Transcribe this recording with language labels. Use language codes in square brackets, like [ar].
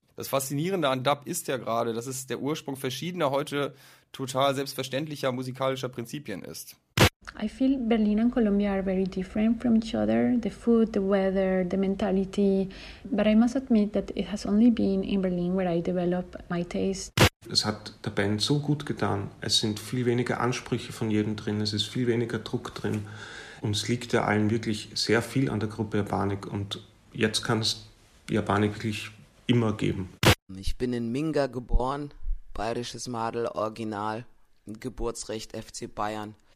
[de] Das Faszinierende an Dub ist ja gerade, dass es der Ursprung verschiedener heute total selbstverständlicher musikalischer Prinzipien ist. [en] I feel Berlin and Colombia are very different from each other, the food, the weather, the mentality. But I must admit that it has only been in Berlin where I develop my taste. [de] Es hat der Band so gut getan. Es sind viel weniger Ansprüche von jedem drin, es ist viel weniger Druck drin. Uns liegt ja allen wirklich sehr viel an der Gruppe Japanik und jetzt kann es Japanik wirklich immer geben. Ich bin in Minga geboren, bayerisches Madel, Original, Geburtsrecht FC Bayern.